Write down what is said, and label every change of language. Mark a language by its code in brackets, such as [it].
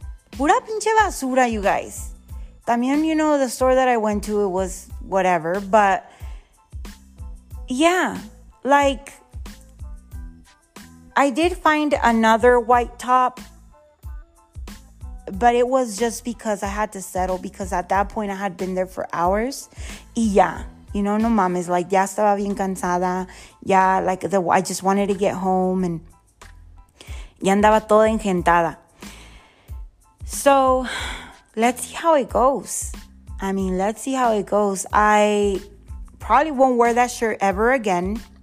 [es] Pura pinche basura, [en] you guys. [es] También, [en] the store that I went to, it was whatever. But, yeah, like, I did find another white top. But it was just because I had to settle, because at that point I had been there for hours. [es] Y ya, no mames, like, ya estaba bien cansada. [en] Ya, like, I just wanted to get home, and [es] ya andaba toda engentada. [en] So, let's see how it goes. I mean, let's see how it goes. I probably won't wear that shirt ever again.